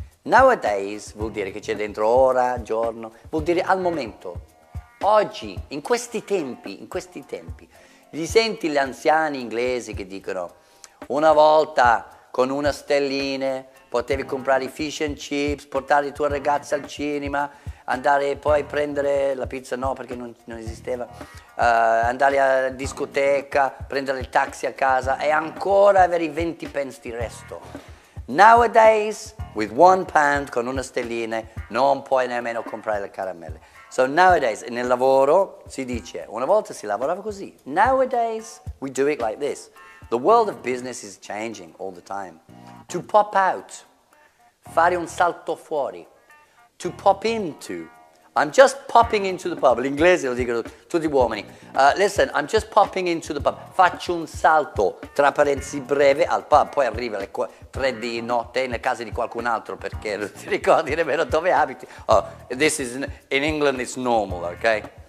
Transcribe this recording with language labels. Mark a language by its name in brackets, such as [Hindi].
[Italian] Nowadays vuol dire che c'è dentro ora, giorno, vuol dire al momento, oggi, in questi tempi, li senti gli anziani inglesi che dicono una volta con una stellina potevi comprare i fish and chips, portare i tuoi ragazzi al cinema, andare poi a prendere la pizza, no perché non esisteva, andare a discoteca, prendere il taxi a casa e ancora avere i 20 pence di resto. [English] Nowadays, with £1, [Italian] con una stellina, non puoi nemmeno comprare le caramelle. So nowadays, nel lavoro, si dice, una volta si lavorava così. [English] Nowadays, we do it like this. The world of business is changing all the time. To pop out, [Italian] fare un salto fuori. [English] To pop into, I'm just popping into the pub. [Italian] L'inglese lo dicono tutti gli uomini. [English] Listen, I'm just popping into the pub. [Italian] Faccio un salto, tra parentesi breve, al pub. Poi arrivo alle 3 di notte nella casa di qualcun altro perché non ti ricordi nemmeno dove abiti. [English] Oh, this is in England it's normal, okay?